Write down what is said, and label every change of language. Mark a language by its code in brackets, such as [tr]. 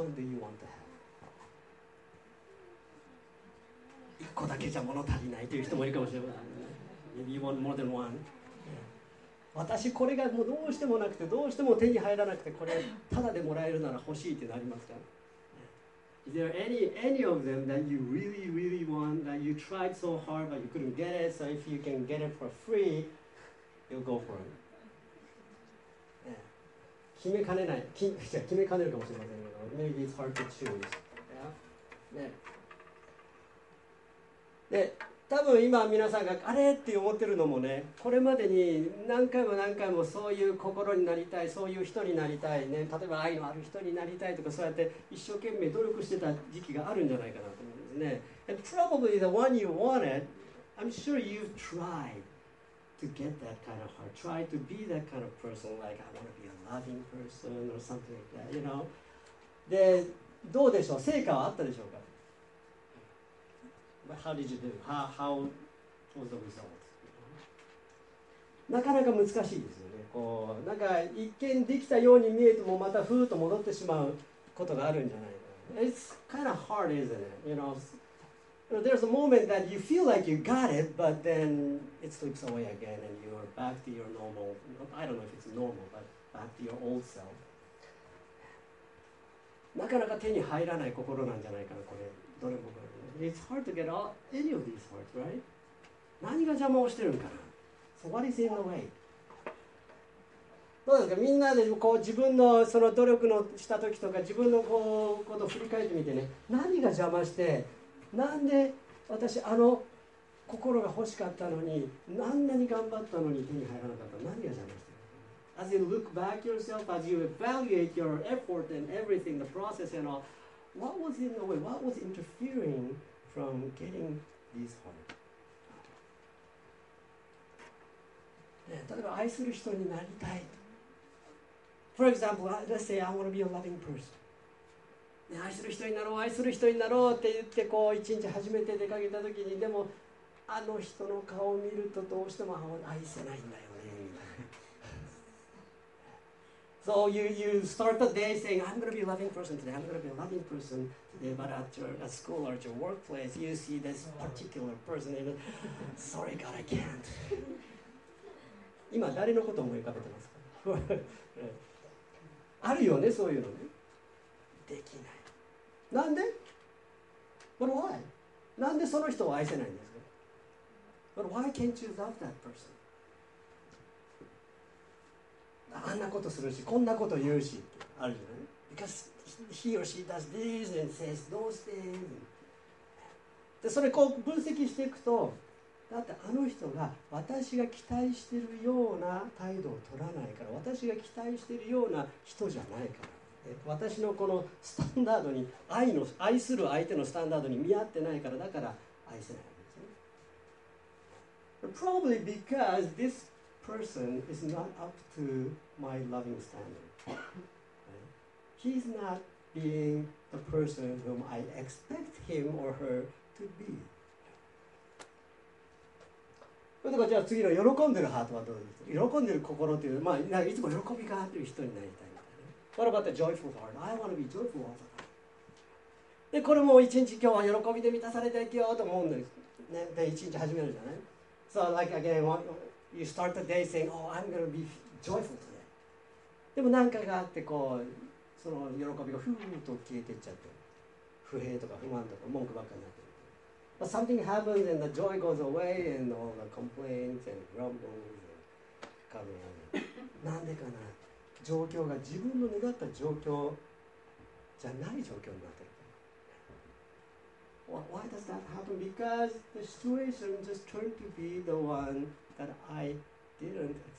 [en] Which one do you want to have? [ja] 1個だけじゃ物足りないという人もいるかもしれません。 [en] Maybe you want more than one. [ja] 私これがもうどうしてもなくて、どうしても手に入らなくて、これただでもらえるなら欲しいってなりますか？ [en] Is there any of them that you really really want that you tried so hard but you couldn't get it? So if you can get it for free, you'll go for it. [ja] 決めかねない。決めかねるかもしれませんけど、 [en] Maybe it's hard to choose. Yeah. [ja] で、多分今皆さんがあれって思ってるのもね、これまでに何回も何回もそういう心になりたい、そういう人になりたいね、例えば愛のある人になりたいとか、そうやって一生懸命努力してた時期があるんじゃないかなと思うんですね。 [en] And probably the one you wanted, I'm sure you've tried to get that kind of heart, try to be that kind of person, like I want to be a loving person or something like that, you know. [ja] で、どうでしょう、成果はあったでしょうか？ [en] How did you do? How was the result? [ja] なかなか難しいですよね。こうなんか一見できたように見えても、またふーっと戻ってしまうことがあるんじゃないか。 [en] It's kind of hard, isn't it? You know, there's a moment that you feel like you got it, but then it slips away again, and you're back to your normal. I don't know if it's normal, but back to your old self. [ja] なかなか手に入らない心なんじゃないかな、これ。どれもこれ。 [en] It's hard to get any of these hearts, right? [ja] 何が邪魔をしてるのかな。 [en] So what is in the way? [ja] どうですか、みんなでこう自分 の, その努力のした時とか、自分のこうことを振り返ってみてね、何が邪魔して、なんで私あの心が欲しかったのに、何なに頑張ったのに手に入らなかった、何が邪魔してる。 [en] As you look back yourself, as you evaluate your effort and everything, the process and allWhat was in the way? What was interfering from getting this heart? [ja] 例えば愛する人になりたい。 [en] For example, let's say I want to be a loving person. [ja] 愛する人になろう、愛する人になろうって言ってこう一日初めて出かけた時に、でもあの人の顔を見るとどうしても愛せないんだよね。 [en] So you start the day saying, I'm going to be a loving person today, I'm going to be a loving person today. But at school or at your workplace, you see this particular person and sorry God, I can't. [ja] 今誰のことを思い浮かべてますか？あるよね、そういうのね。できない。なんで？ [en] But why? [ja] なんでその人を愛せないんですか？ [en] But why can't you love that person? [ja] あんなことするし、こんなこと言うし、あるじゃない。 [en] Because he or she does this and says those things. [ja] で、それこう分析していくと、だってあの人が私が期待しているような態度を取らないから、私が期待しているような人じゃないから、私のこのスタンダードに、愛する相手のスタンダードに見合ってないから、だから愛せないんですね。 [en] Probably because thisperson is not up to my loving standard. He's not being the person whom I expect him or her to be. [ja] それではじゃあ次の喜んでるハートはどうですか？喜んでる心っていう、まあいつも喜びがあってる人になりたいみたいな。 [en] What about the joyful heart? I want to be joyful all the time. [ja] で、これも一日今日は喜びで満たされていきようと思うんです。ね、で、一日始めるじゃない。 [en] So like again, oneYou start the day saying, oh, I'm going to be joyful today. [ja] でも何かがあってこう、その喜びがふーっと消えていっちゃって、不平とか不満とか文句ばっかりになってる。 [en] But something happens and the joy goes away and all the complaints and grumbles and coming out. [ja] なんでかな、状況が自分の願った状況じゃない状況になってる。 [en] Why does that happen? Because the situation just turned to be the one that I didn't expect.